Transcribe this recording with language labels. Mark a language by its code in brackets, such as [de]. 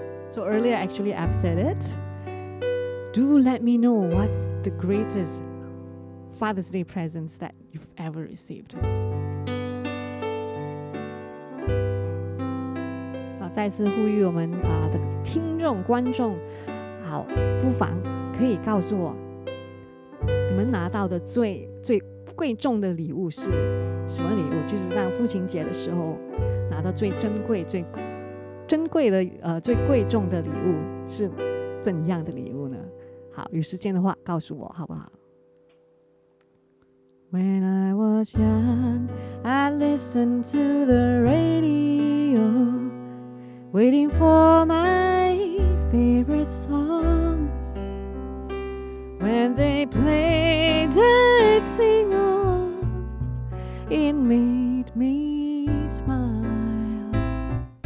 [en] So earlier, actually, I've said it. Do let me know what's the greatest Father's Day presents that you've ever received. [zh] 好，再次呼吁我们的听众观众，好，不妨。可以告诉我你们拿到的最贵重的礼物是什么礼物，就是在父亲节的时候拿到最珍贵的最贵重的礼物是怎样的礼物呢？好，有时间的话告诉我好不好。 [en] When I was young, I listened to the radio, waiting for my favorite song. When they played I'd sing along, it made me smile.